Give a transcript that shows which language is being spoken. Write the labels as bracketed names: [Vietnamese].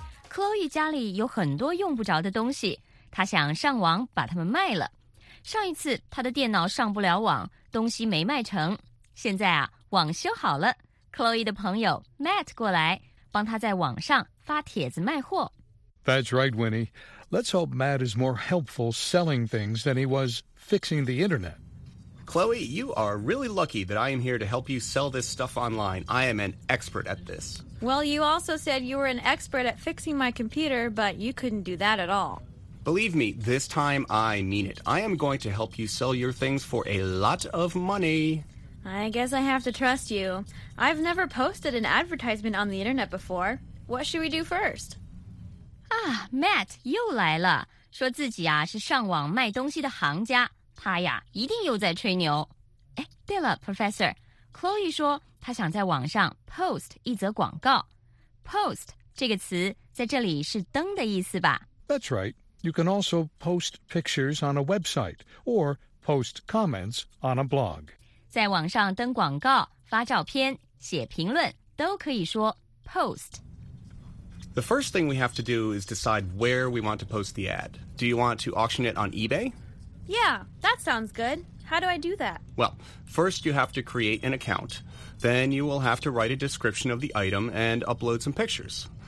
[Chinese] Chloe 家里有很多用不着的东西，她想上网把它们卖了。上一次她的电脑上不了网，东西没卖成，现在啊网修好了， Chloe 的朋友 Matt 过来帮她在网上发帖子卖货。 [English] That's right, Winnie. Let's hope Matt is more helpful selling things than he was fixing the internet. Chloe, you are really lucky that I am here to help you sell this stuff online. I am an expert at this. Well, you also said you were an expert at fixing my computer, but you couldn't do that at all. Believe me, this time I mean it. I am going to help you sell your things for a lot of money. I guess I have to trust you. I've never posted an advertisement on the internet before. What should we do first? [Chinese] 啊 ，Matt 又来了，说自己啊是上网卖东西的行家，他呀一定又在吹牛。哎，对了 ，Professor，Chloe 说他想在网上 post 一则广告。 Post 这个词在这里是登的意思吧 [English] ？That's right. You can also post pictures on a website or post comments on a blog. [Chinese] 在网上登广告、发照片、写评论都可以说 post。 [English] The first thing we have to do is decide where we want to post the ad. Do you want to auction it on eBay? Yeah, that sounds good. How do I do that? Well, first you have to create an account. Then you will have to write a description of the item and upload some pictures.